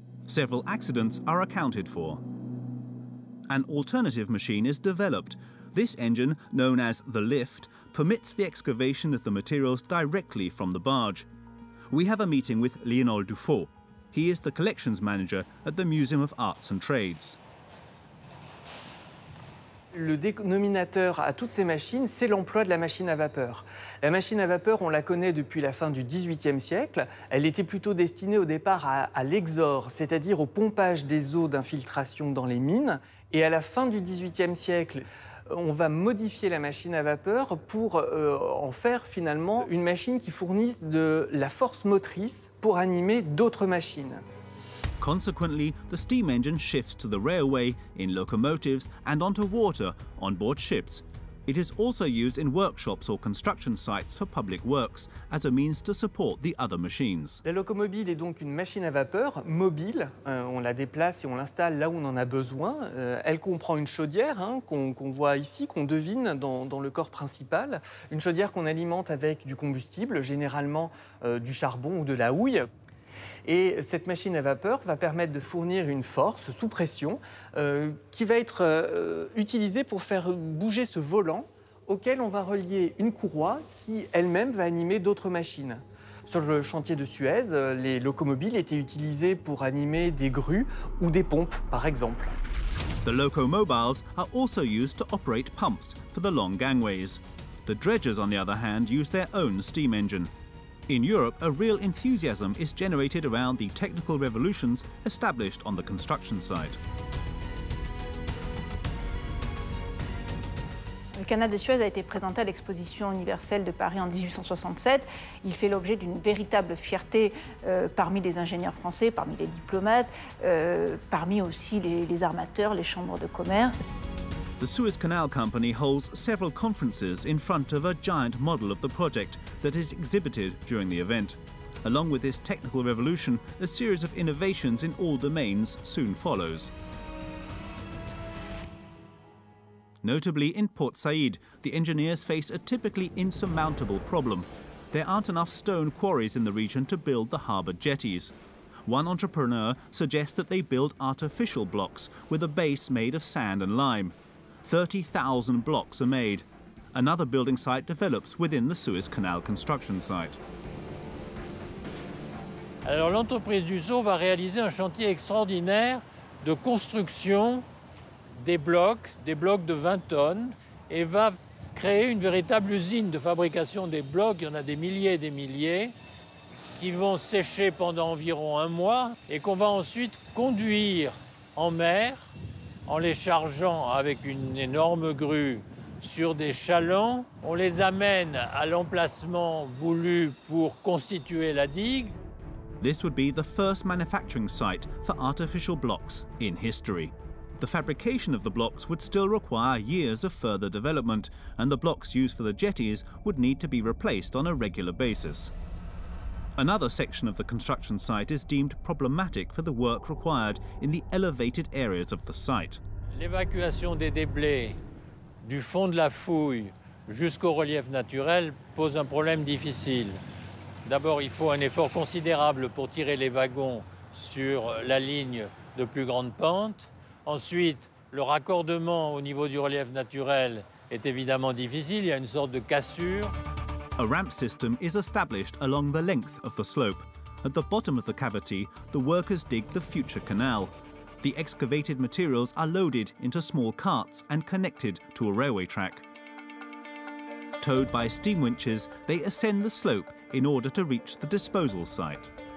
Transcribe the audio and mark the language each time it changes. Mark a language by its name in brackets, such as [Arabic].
[English] Several accidents are accounted for. An alternative machine is developed. This engine, known as the lift, permits the excavation of the materials directly from the barge. We have a meeting with Lionel Dufault. He is the collections manager at the Museum of Arts and Trades. [French] Le dénominateur à toutes ces machines, c'est l'emploi de la machine à vapeur. La machine à vapeur, on la connaît depuis la fin du XVIIIe siècle. Elle était plutôt destinée au départ à l'exor, c'est-à-dire au pompage des eaux d'infiltration dans les mines. Et à la fin du XVIIIe siècle, on va modifier la machine à vapeur pour en faire finalement une machine qui fournisse de la force motrice pour animer d'autres machines. [English] Consequently, the steam engine shifts to the railway, in locomotives, and onto water, on board ships. It is also used in workshops or construction sites for public works as a means to support the other machines. [French] La locomobile est donc une machine à vapeur mobile. On la déplace et on l'installe là où on en a besoin. Elle comprend une chaudière qu'on voit ici, qu'on devine dans le corps principal. Une chaudière qu'on alimente avec du combustible, généralement du charbon ou de la houille. Et cette machine à vapeur va permettre de fournir une force sous pression qui va être utilisée pour faire bouger ce volant auquel on va relier une courroie qui elle-même va animer d'autres machines. Sur le chantier de Suez, les locomobiles étaient utilisées pour animer des grues ou des pompes, par exemple. [English] The locomobiles are also used to operate pumps for the long gangways. The dredgers, on the other hand, use their own steam engine. In Europe, a real enthusiasm is generated around the technical revolutions established on the construction site. [French] Le canal de Suez a été présenté à l'exposition universelle de Paris en 1867. Il fait l'objet d'une véritable fierté parmi les ingénieurs français, parmi les diplomates, parmi aussi les armateurs, les chambres de commerce. [English] The Suez Canal Company holds several conferences in front of a giant model of the project that is exhibited during the event. Along with this technical revolution, a series of innovations in all domains soon follows. Notably in Port Said, the engineers face a typically insurmountable problem. There aren't enough stone quarries in the region to build the harbour jetties. One entrepreneur suggests that they build artificial blocks with a base made of sand and lime. 30,000 blocks are made. Another building site develops within the Suez Canal construction site. [French] Alors l'entreprise Dussault va réaliser un chantier extraordinaire de construction des blocs de 20 tonnes, et va créer une véritable usine de fabrication des blocs. Il y en a des milliers et des milliers qui vont sécher pendant environ un mois et qu'on va ensuite conduire en mer en les chargeant avec une énorme grue sur des chalands. On les amène à l'emplacement voulu pour constituer la digue. [English] This would be the first manufacturing site for artificial blocks in history. The fabrication of the blocks would still require years of further development, and the blocks used for the jetties would need to be replaced on a regular basis. Another section of the construction site is deemed problematic for the work required in the elevated areas of the site. [French] L'évacuation des déblais du fond de la fouille jusqu'au relief naturel pose un problème difficile. D'abord, il faut un effort considérable pour tirer les wagons sur la ligne de plus grande pente. Ensuite, le raccordement au niveau du relief naturel est évidemment difficile. Il y a une sorte de cassure. [English] A ramp system is established along the length of the slope. At the bottom of the cavity, the workers dig the future canal. The excavated materials are loaded into small carts and connected to a railway track. Towed by steam winches, they ascend the slope in order to reach the disposal site.